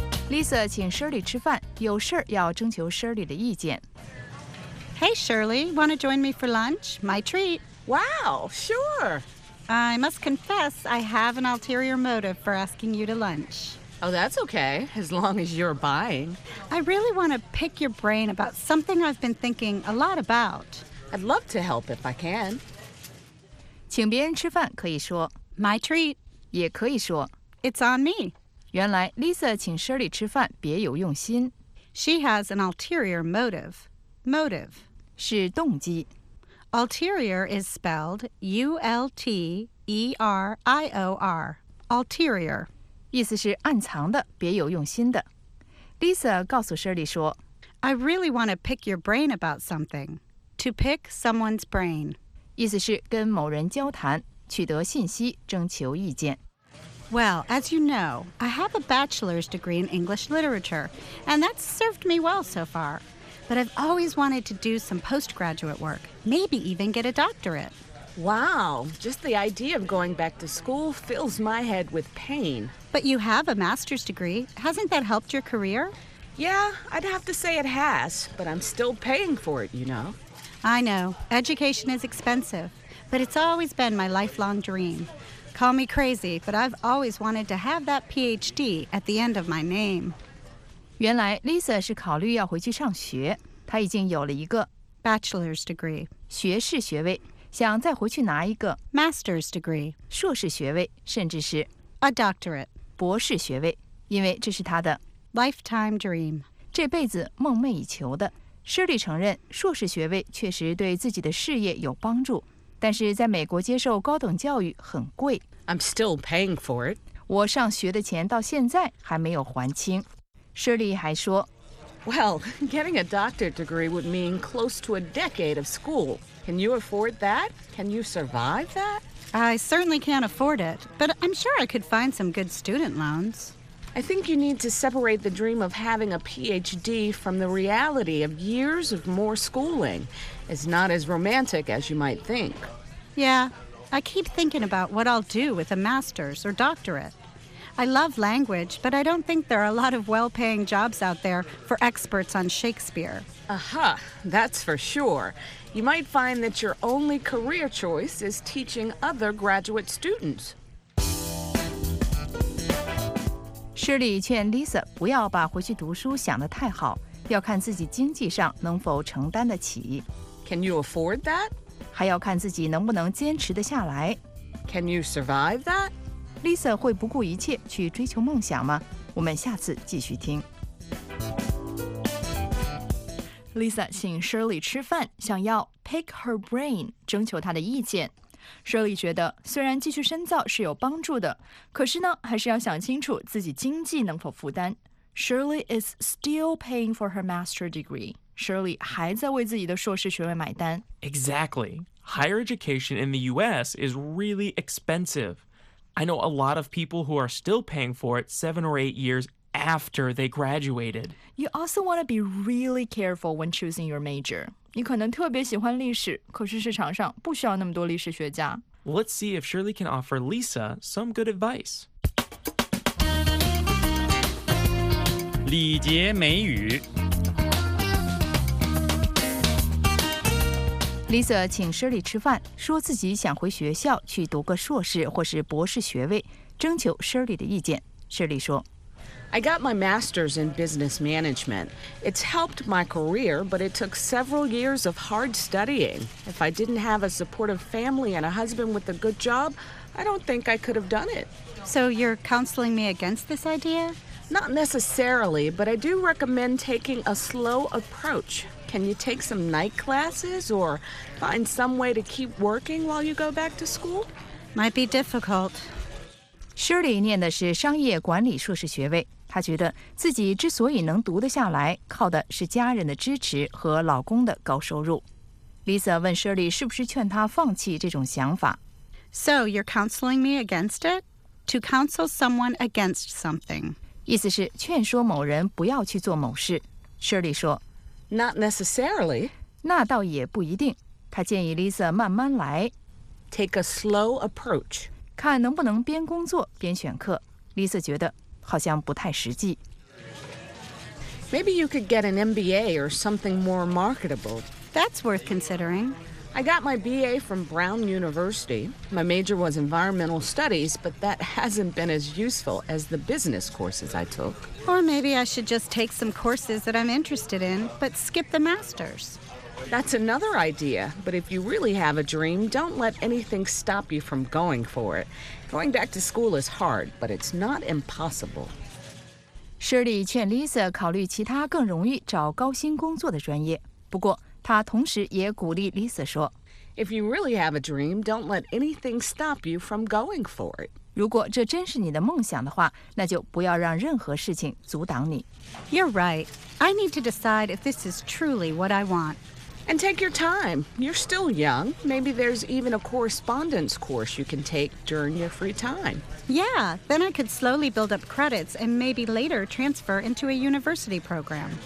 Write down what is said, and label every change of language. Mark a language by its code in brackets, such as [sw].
[zh] Lisa 请 Shirley 吃饭，有事儿要征求 Shirley 的意见。 [en] Hey Shirley, want to join me for lunch? My treat. Wow, sure. I must confess, I have an ulterior motive for asking you to lunch. Oh, that's okay, as long as you're buying. I really want to pick your brain about something I've been thinking a lot about. I'd love to help if I can. [zh] 请别人吃饭可以说 [en] My treat. [zh] 也可以说 [en] It's on me. [zh] 原来 Lisa 请 Shirley 吃饭别有用心。 [en] She has an ulterior motive. Motive [zh] 是动机。 [en] Ulterior is spelled U-L-T-E-R-I-O-R. Ulterior [zh] 意思是暗藏的，别有用心的。 Lisa 告诉 Shirley 说 [en] I really want to pick your brain about something. To pick someone's brain [zh] 意思是跟某人交谈，取得信息，征求意见。 [en] Well, as you know, I have a bachelor's degree in English literature, and that's served me well so far. But I've always wanted to do some postgraduate work, maybe even get a doctorate. Wow, just the idea of going back to school fills my head with pain. But you have a master's degree. Hasn't that helped your career? Yeah, I'd have to say it has, but I'm still paying for it, you know. I know, education is expensive, but it's always been my lifelong dream. Call me crazy, but I've always wanted to have that PhD at the end of my name. [zh] 原来 Lisa 是考虑要回去上学，她已经有了一个 [en] bachelor's degree [zh] 学士学位，想再回去拿一个 [en] master's degree [zh] 硕士学位，甚至是 [en] a doctorate [zh] 博士学位，因为这是她的 [en] lifetime dream [zh] 这辈子梦寐以求的。 Shirley 承认硕士学位确实对自己的事业有帮助。但是在美国接受高等教育很贵。 [en] I'm still paying for it. [zh] 我上学的钱到现在还没有还清。 Shirley 还说 [en] Well, getting a doctorate degree would mean close to a decade of school. Can you afford that? Can you survive that? I certainly can't afford it, but I'm sure I could find some good student loans. I think you need to separate the dream of having a PhD from the reality of years of more schooling. It's not as romantic as you might think. Yeah, I keep thinking about what I'll do with a master's or doctorate. I love language, but I don't think there are a lot of well-paying jobs out there for experts on Shakespeare. Aha, that's for sure. You might find that your only career choice is teaching other graduate students. [zh] Shirley 劝 Lisa 不要把回去读书想得太好，要看自己经济上能否承担得起。 [en] Can you afford that? [zh] 还要看自己能不能坚持得下来。 [en] Can you survive that? [zh] Lisa 会不顾一切去追求梦想吗？我们下次继续听。 Lisa 请 Shirley 吃饭，想要 [en] pick her brain， [zh] 征求她的意见。 Shirley 觉得虽然继续深造是有帮助的，可是呢，还是要想清楚自己经济能否负担。 [en] Shirley is still paying for her master's degree. [zh] Shirley 还在为自己的硕士学位买单。 [en] Exactly. Higher education in the U.S. is really expensive. I know a lot of people who are still paying for it 7 or 8 years after they graduated. You also want to be really careful when choosing your major. [zh] 你可能特别喜欢历史，可是市场上不需要那么多历史学家。 [en] Let's see if Shirley can offer Lisa some good advice. [zh] 礼节美语。 Lisa 请 Shirley 吃饭，说自己想回学校去读个硕士或是博士学位，征求 Shirley 的意见。 Shirley 说 [en] ：“I got my master's in business management. It's helped my career, but it took several years of hard studying. If I didn't have a supportive family and a husband with a good job, I don't think I could have done it. So you're counseling me against this idea?” Not necessarily, but I do recommend taking a slow approach. Can you take some night classes or find some way to keep working while you go back to school? Might be difficult. [zh] Shirley 念的是商业管理硕士学位，她觉得自己之所以能读得下来，靠的是家人的支持和老公的高收入。 Lisa 问 Shirley 是不是劝她放弃这种想法。 [en] So you're counseling me against it? To counsel someone against something. [zh] 意思是劝说某人不要去做某事。 Shirley 说 [en] Not necessarily. [zh] 那倒也不一定。他建议 Lisa 慢慢来。 [en] Take a slow approach. [zh] 看能不能边工作边选课。Lisa 觉得好像不太实际。 [en] Maybe you could get an MBA or something more marketable. That's worth considering. I got my BA from Brown University. My major was environmental studies, but that hasn't been as useful as the business courses I took. Or maybe I should just take some courses that I'm interested in, but skip the master's. That's another idea, but if you really have a dream, don't let anything stop you from going for it. Going back to school is hard, but it's not impossible. [zh] Shirley 劝 Lisa 考虑其他更容易找高薪工作的专业，不过他同时也鼓励 Lisa 说 [en] If you really have a dream, don't let anything stop you from going for it. [zh] 如果这真是你的梦想的话，那就不要让任何事情阻挡你。 [en] You're right. I need to decide if this is truly what I want. And take your time. You're still young. Maybe there's even a correspondence course you can take during your free time. Yeah, then I could slowly build up credits and maybe later transfer into a university program.